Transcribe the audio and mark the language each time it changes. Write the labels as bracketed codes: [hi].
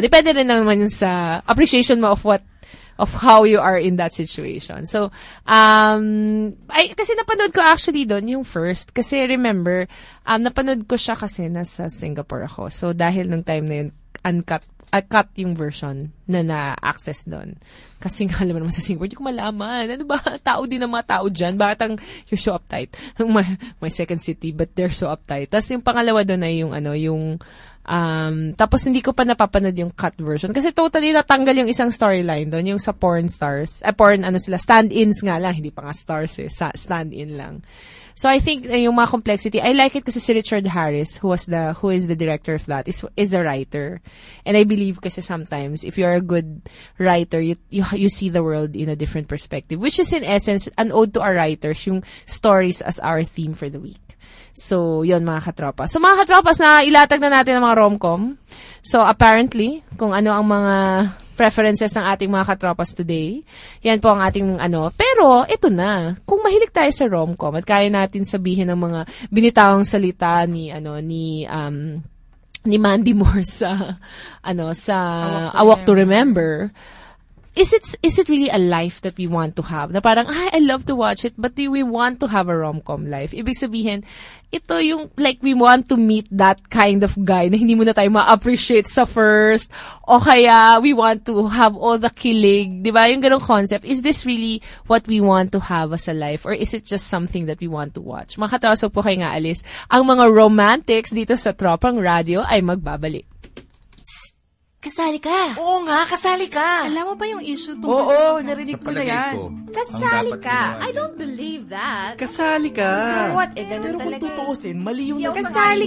[tl] Depende rin naman yun sa [en] appreciation mo of what, of how you are in that situation. [tl] So, kasi napanood ko actually doon yung first. Kasi remember, napanood ko siya kasi nasa Singapore ako. So, dahil nung time na yun, uncut yung version na na-access doon. Kasi nga, alam mo naman sa Singapore, hindi ko malaman. Ano ba? Tao din ang mga tao dyan. Bakit ang, [en] you're so uptight. My second city, but they're so uptight. [tl] Tapos yung pangalawa doon ay yung, ano, yung, tapos hindi ko pa napapanood yung cut version. Kasi totally natanggal yung isang storyline doon, yung sa porn stars. Stand-ins nga lang. Hindi pa nga stars eh. Sa stand-in lang. [en] So I think yung mga complexity, I like it kasi si Richard Harris, who is the director of that, is a writer. And I believe kasi sometimes if you're a good writer, you see the world in a different perspective, which is in essence an ode to our writers, yung stories as our theme for the week. [tl] So yun mga katropa. So mga katropas, na ilatag na natin ang mga rom-com. [en] So apparently, [tl] kung ano ang mga preferences ng ating mga katropas today. Yan po ang ating ano. Pero, ito na. Kung mahilig tayo sa rom-com at kaya natin sabihin ang mga binitawang salita ni Mandy Moore sa A Walk to Remember, [en] is it really a life that we want to have? [tl] Na parang, [en] I love to watch it, but do we want to have a rom-com life? [tl] Ibig sabihin, ito yung, like, [en] we want to meet that kind of guy [tl] na hindi muna tayo ma-appreciate sa first, o kaya [en] we want to have all the [tl] kilig, di ba? Yung ganong concept. [en] Is this really what we want to have as a life, or is it just something that we want to watch? [tl] Mga katawas, huwag po kayo nga alis. Ang mga romantics dito sa Tropang Radio ay magbabalik. Kasali ka! Oo nga, kasali ka! Alam mo ba yung issue tungkol sa pagkakas? Oo, narinig ko na yan. Kasali ka! [en] I don't believe that! [tl] Kasali ka! [en] So what? [tl] Pero kung tutuusin, mali yung nagsasabi